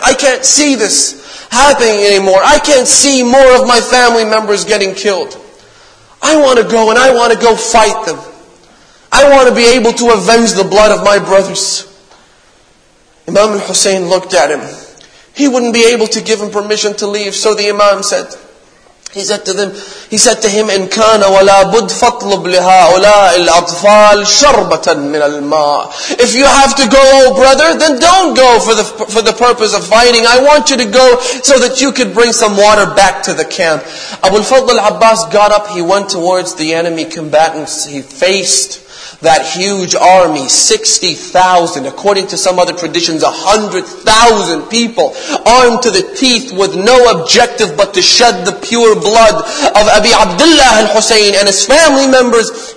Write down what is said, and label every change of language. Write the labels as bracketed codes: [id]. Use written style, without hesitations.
[en] I can't see this happening anymore. I can't see more of my family members getting killed. I want to go and I want to go fight them. I want to be able to avenge the blood of my brothers. Imam al-Hussein looked at him. He wouldn't be able to give him permission to leave. So the Imam said, He said to him, [ar] إِن كَانَ وَلَا بُدْ فَطْلُبْ لِهَا أُولَاءِ الْأَطْفَالِ شَرْبَةً مِنَ الْمَاءِ. [en] If you have to go, oh brother, then don't go for the purpose of fighting. I want you to go so that you could bring some water back to the camp. Abu al-Fadl al-Abbas got up, he went towards the enemy combatants, he faced that huge army, 60,000, according to some other traditions, 100,000 people, armed to the teeth with no objective but to shed the pure blood of Abi Abdullah al-Hussein and his family members.